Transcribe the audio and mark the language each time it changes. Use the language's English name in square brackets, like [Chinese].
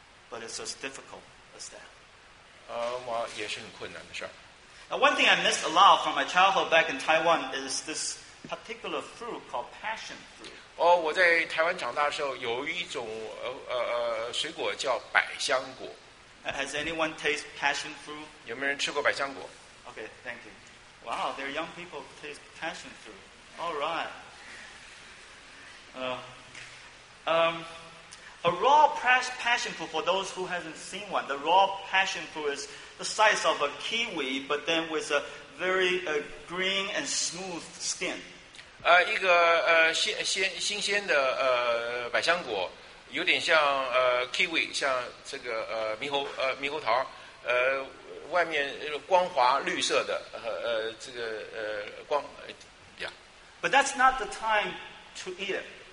[English] But it's as difficult as that. [Chinese] 也是很困难的事儿。 [English] Now, one thing I missed a lot from my childhood back in Taiwan is this particular fruit called passion fruit. [Chinese] 我在台湾长大的时候，有一种水果叫百香果。 [English] Has anyone tasted passion fruit? [Chinese] 有没有人吃过百香果 [English] ？Okay, thank you. Wow, there are young people who taste passion fruit. All right. A raw passion fruit, for those who haven't seen one, the raw passion fruit is the size of a kiwi, but then with a very green and smooth skin. [Chinese] 一个新鲜的百香果，有点像kiwi， 像这个猕猴桃，外面光滑绿色的这个光 ，yeah. [English] But that's not the time to eat it.